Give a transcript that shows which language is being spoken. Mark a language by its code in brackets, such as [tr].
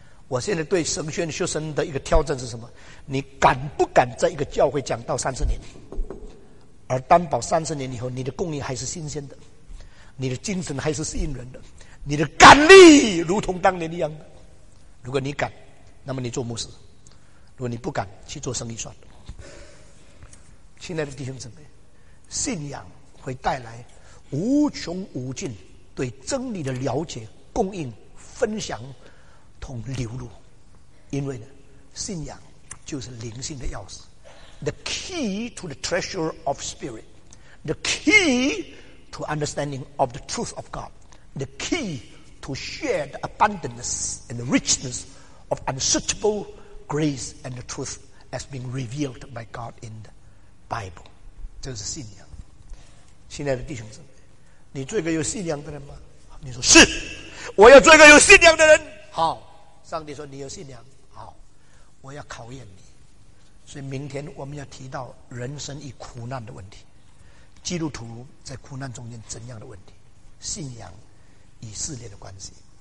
[zh] 我现在对神学院学生的一个挑战是什么？你敢不敢在一个教会讲到30年，而担保30年以后你的供应还是新鲜的，你的精神还是吸引人的，你的感力如同当年一样的。如果你敢，那么你做牧师；如果你不敢，去做生意算了。亲爱的弟兄姊妹，信仰会带来无穷无尽对真理的了解、供应、分享同流露， [en] 因为呢，信仰就是灵性的钥匙， The key to the treasure of spirit, The key to understanding of the truth of God, The key to share the abundance and the richness of unsearchable grace and the truth as being revealed by God in the Bible. [zh] 这是信仰。亲爱的弟兄姊妹，你做一个有信仰的人吗？你说是，我要做一个有信仰的人。好，上帝说你有信仰，好，我要考验你。所以明天我们要提到人生与苦难的问题，基督徒在苦难中间怎样的问题，信仰与试炼的关系。